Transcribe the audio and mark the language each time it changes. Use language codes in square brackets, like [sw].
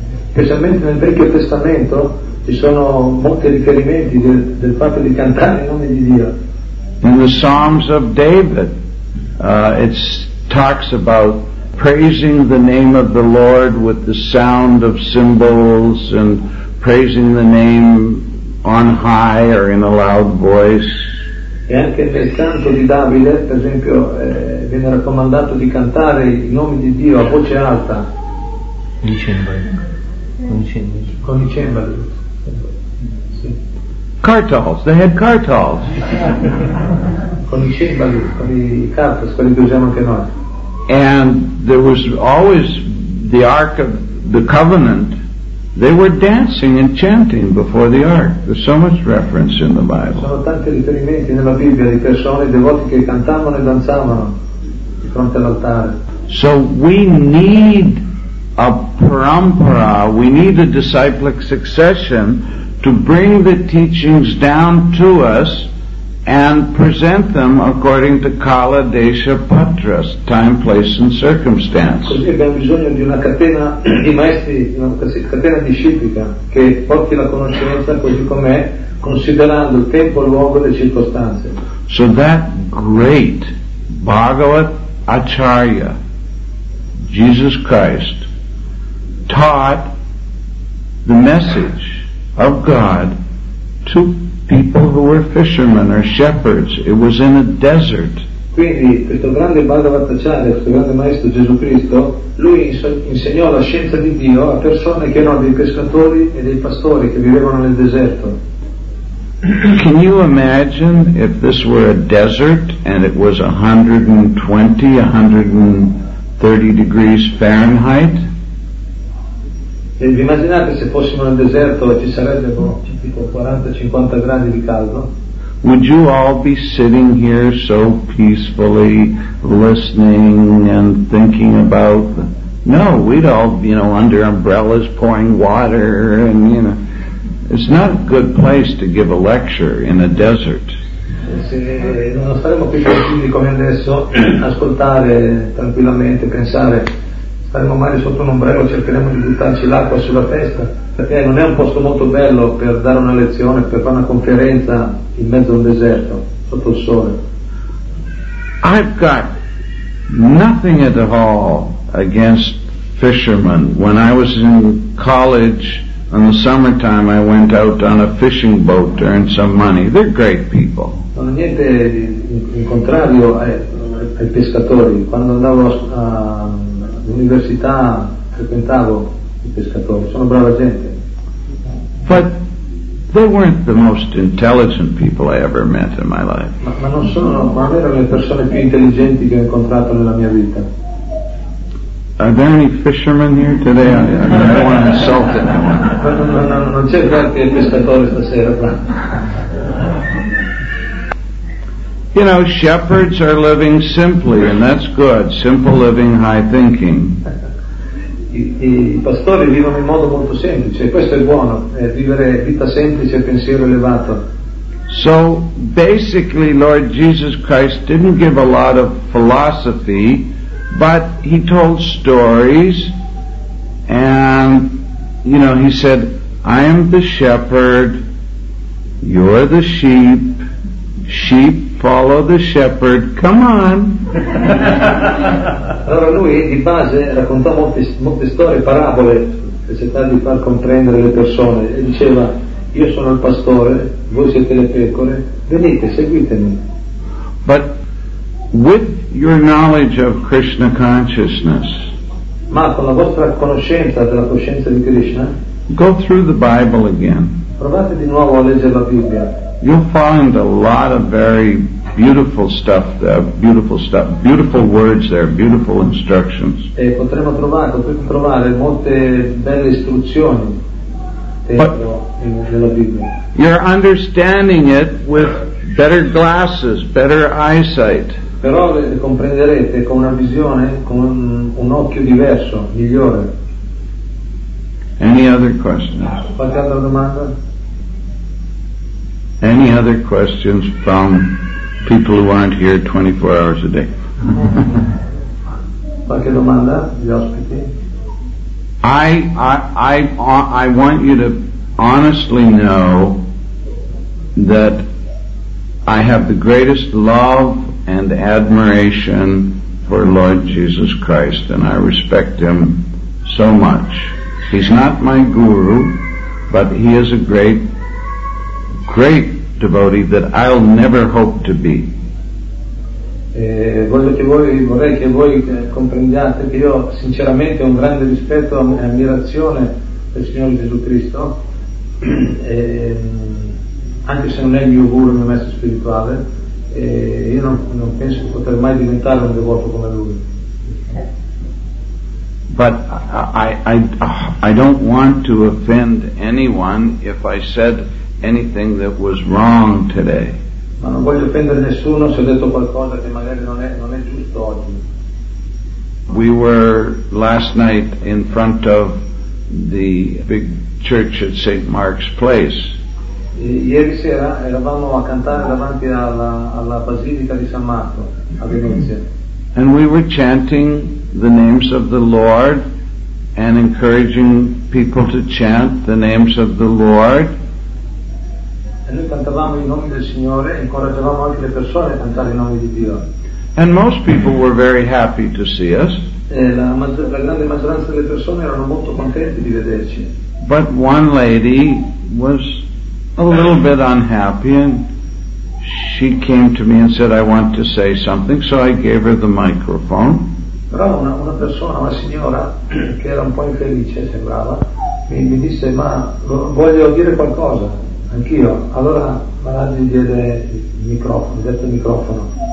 [it] Specialmente nel Vecchio Testamento ci sono molti riferimenti del fatto di cantare il nome di Dio. [en] In the Psalms of David. It talks about praising the name of the Lord with the sound of cymbals and praising the name on high or in a loud voice. [it] E anche nel canto di Davide, per esempio, viene raccomandato di cantare i nomi di Dio a voce alta. Con i cembali. [en] Cartels, they had cartels. [it] Con i cembali, con i cartels, quelli che usiamo anche noi. [en] And there was always the Ark of the Covenant. They were dancing and chanting before the Ark. There's so much reference in the Bible. [it] Sono tanti riferimenti nella Bibbia di persone, devoti che cantavano e danzavano di fronte all'altare. [en] So we need a parampara, we need a disciplic succession to bring the teachings down to us and present them according to Kala, Desha, Patras, time, place and circumstance. [it] Così abbiamo bisogno di una catena di maestri, una catena disciplica che porti la conoscenza così com'è, considerando il tempo, luogo e circostanze. [en] So that great Bhagavat Acharya, Jesus Christ, taught the message of God to people who were fishermen or shepherds. It was in a desert. [it] Quindi questo grande Bhagavatachari, questo grande maestro Gesù Cristo, lui insegnò la scienza di Dio a persone che erano dei pescatori e dei pastori che vivevano nel deserto. [en] Can you imagine if this were a desert and it was 120, 130 degrees Fahrenheit? [it] E vi immaginate se fossimo nel deserto e ci sarebbero tipo 40-50 gradi di caldo? [en] Would you all be sitting here so peacefully listening and thinking about the... No, we'd all, you know, under umbrellas pouring water and, you know, it's not a good place to give a lecture in a desert. [it] Se non staremo più tranquilli come adesso, ascoltare tranquillamente, pensare, staremo mai sotto un ombrello, cercheremo di buttarci l'acqua sulla testa, perché non è un posto molto bello per dare una lezione, per fare una conferenza in mezzo a un deserto, sotto il sole. [en] I've got nothing at all against fishermen. When I was in college, in the summertime I went out on a fishing boat to earn some money. They're great people. [it] Non ho niente in contrario ai pescatori. Quando andavo all'università frequentavo i pescatori. Sono brava gente. [en] But they weren't the most intelligent people I ever met in my life. [it] Ma non erano le persone più intelligenti che ho incontrato nella mia vita. [en] Are there any fishermen here today? I don't want to insult anyone. [it] No, non c'è qualche pescatore stasera. [en] You know, shepherds are living simply, and that's good. Simple living, high thinking. [it] I pastori vivono in modo molto semplice, questo è buono, vivere vita semplice e pensiero elevato. [en] So, basically, Lord Jesus Christ didn't give a lot of philosophy, but he told stories, and, you know, he said, I am the shepherd, you're the sheep, sheep follow the shepherd, come on. [it] Allora lui di base raccontò molte storie, parabole, per cercare di far comprendere le persone, e diceva, io sono il pastore, voi siete le pecore, venite, seguitemi. [en] But with your knowledge of Krishna consciousness, [it] ma con la vostra conoscenza della coscienza di Krishna, [en] go through the Bible again. [it] Provate di nuovo a leggere la Bibbia. [en] You'll find a lot of very beautiful stuff, beautiful words there, beautiful instructions. [it] E potremo trovare molte belle istruzioni nella Bibbia. [en] You're understanding it with better glasses, better eyesight. [it] Però le comprenderete con una visione, con un occhio diverso, migliore. [en] Any other questions? [it] Qualche altra domanda? [en] Any other questions from people who aren't here 24 hours a day? [it] Qualche domanda? Gli ospiti? [en] I want you to honestly know that I have the greatest love and admiration for Lord Jesus Christ, and I respect him so much. He's not my guru, but he is a great, great devotee that I'll never hope to be. [it] Vorrei che voi comprendiate che io sinceramente ho un grande rispetto e ammirazione per il Signore Gesù Cristo, anche se non è il mio guru, il mio maestro spirituale. Io non penso di poter mai diventare un devoto come lui. [en] But I don't want to offend anyone if I said anything that was wrong today. [it] Ma non voglio offendere nessuno se ho detto qualcosa che magari non è giusto oggi. [en] We were last night in front of the big church at St. Mark's Place. [it] Ieri sera eravamo a cantare davanti alla Basilica di San Marco a Venezia. [en] And we were chanting the names of the Lord and encouraging people to chant the names of the Lord. [it] E noi cantavamo i nomi del Signore e incoraggiavamo anche le persone a cantare i nomi di Dio. [en] And most people were very happy to see us. [it] la grande maggioranza delle persone erano molto contenti di vederci. [en] But one lady was a little bit unhappy, and she came to me and said, "I want to say something." So I gave her the microphone. [it] Però una persona, una signora che era un po' infelice, sembrava, mi disse, "Ma voglio dire qualcosa anch'io." Allora mi diede il microfono.